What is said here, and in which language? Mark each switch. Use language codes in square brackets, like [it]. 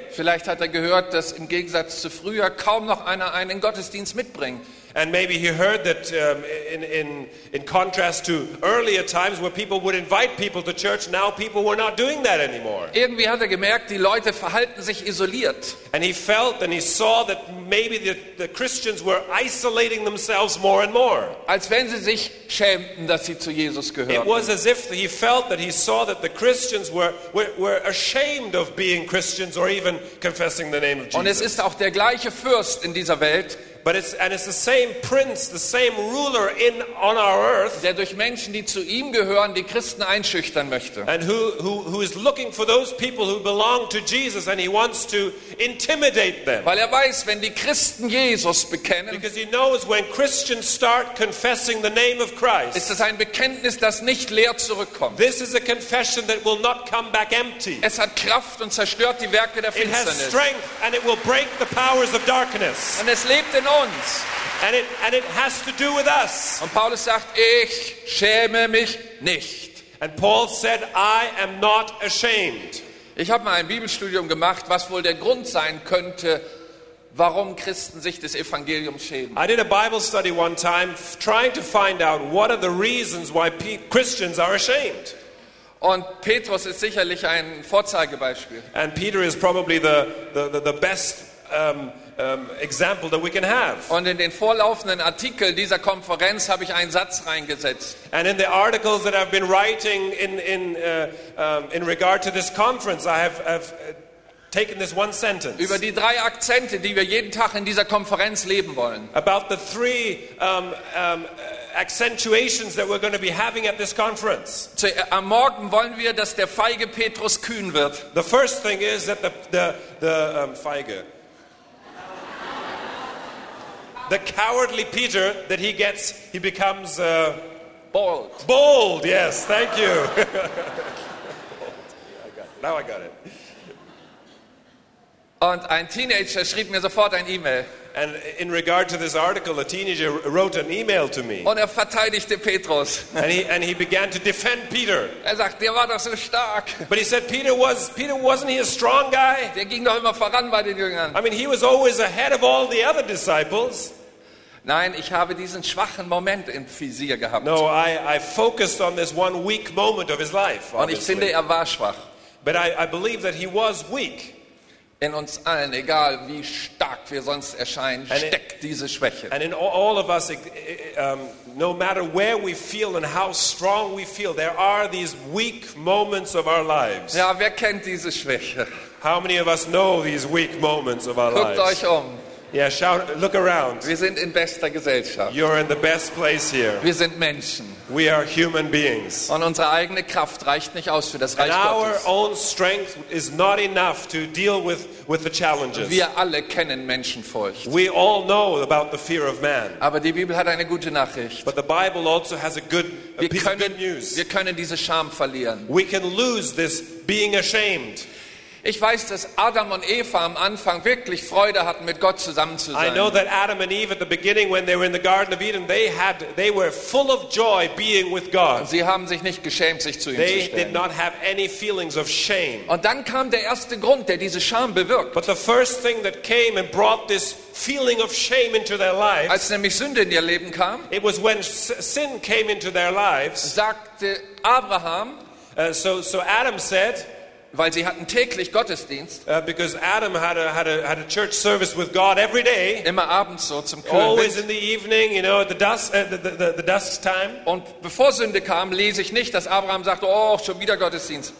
[de] Vielleicht hat er gehört, dass im Gegensatz zu früher kaum noch einer einen Gottesdienst mitbringt. [en] And maybe he heard that in contrast to earlier times where people would invite people to church, now people were not doing that anymore. [de] Irgendwie hat er gemerkt, die Leute verhalten sich isoliert. [en] And he felt and he saw that maybe the Christians were isolating themselves more and more. [de] Als wenn sie sich schämten, dass sie zu Jesus gehörten. [en] It was as if he felt that he saw that the Christians were ashamed of being Christians or even confessing the name of Jesus. [de] Und es ist auch der gleiche Fürst in dieser Welt. [en] But it's the same prince, the same ruler on our earth, [de] der durch Menschen, die zu ihm gehören, die Christen einschüchtern möchte. [en] And who is looking for those people who belong to Jesus, and he wants to intimidate them. [de] Weil er weiß, wenn die Christen Jesus bekennen, [en] because he knows when Christians start confessing the name of Christ, [de] ist es ein Bekenntnis, das nicht leer zurückkommt. [en] This is a confession that will not come back empty. [de] Es hat Kraft und zerstört die Werke der Finsternis. [en] It has strength and it will break the powers of darkness. [de] Und es lebt in uns. [en] And it has to do with us. [de] Und Paulus sagt, ich schäme mich nicht. [en] And Paul said, I am not ashamed. [de] Ich habe mal ein Bibelstudium gemacht, was wohl der Grund sein könnte, warum Christen sich des Evangeliums schämen. [en] I did a Bible study one time trying to find out what are the reasons why Christians are ashamed. [de] Und Petrus ist sicherlich ein Vorzeigebeispiel. [en] And Peter is probably the best example that we can have. [de] Und in den vorlaufenden Artikel dieser Konferenz habe ich einen Satz reingesetzt. [en] And in the articles that I've been writing in regard to this conference, I have taken this one sentence. [de] Über die drei Akzente, die wir jeden Tag in dieser Konferenz leben wollen. [en] About the three accentuations that we're going to be having at this conference. [de] Am Morgen wollen wir, dass der feige Petrus kühn wird. [en] The first thing is that the feige. The cowardly Peter that he gets, he becomes bold. Bold, yes, thank you. Now I got it. [de] Und ein Teenager schrieb mir sofort ein E-Mail. [en] And in regard to this article, a teenager wrote an email to me. [de] Und verteidigte Petrus. [en] And he began to defend Peter. [de] Sagt, der war doch so stark. [en] But he said, wasn't he a strong guy? [de] Der ging doch immer voran bei den Jüngern. [en] I mean, he was always ahead of all the other disciples. [de] Nein, ich habe diesen schwachen Moment im Visier gehabt. [en] No, I focused on this one weak moment of his life. [de] Und ich finde, war schwach. [en] But I believe that he was weak. [de] In uns allen, egal wie stark wir sonst erscheinen, steckt diese Schwäche. [en] And in all of us, no matter where we feel and how strong we feel, there are these weak moments of our lives. [de] Ja, wer kennt diese Schwäche? [en] How many of us know these weak moments of our lives? [de] Guckt euch um. [en] Yeah, shout, look around. [de] Wir sind in bester Gesellschaft. [en] You're in the best place here. [de] Wir sind Menschen. [en] We are human beings. [de] Und unsere eigene Kraft reicht nicht aus für das Reich Gottes. [en] And our own strength is not enough to deal with the challenges. [de] Wir alle kennen Menschenfurcht. [en] We all know about the fear of man. [de] Aber die Bibel hat eine gute Nachricht. [en] But the Bible also has a piece of good news. [de] Wir können diese Scham verlieren. [en] We can lose this being ashamed. [de] Ich weiß, dass Adam und Eva am Anfang wirklich Freude hatten, mit Gott zusammen zu sein. [en] I know that Adam and Eve at the beginning, when they were in the Garden of Eden, they were full of joy being with God. [de] Sie haben sich nicht geschämt, sich zu ihm [en] they [de] zu stellen. [en] They did not have any feelings of shame. [de] Und dann kam der erste Grund, der diese Scham bewirkt. [en] But the first thing that came and brought this feeling of shame into their lives, [de] als nämlich Sünde in ihr Leben kam, [en] it was when sin came into their lives, [de] sagte Abraham, [en] so Adam said, [de] weil sie hatten täglich Gottesdienst. [en] Because Adam had a church service with God every day. [de] Immer abends so zum Kühlen. [en] Always in the evening, you know, at the dusk time. [de] Und bevor Sünde kam, lese ich nicht, dass Abraham sagte, oh, schon wieder Gottesdienst.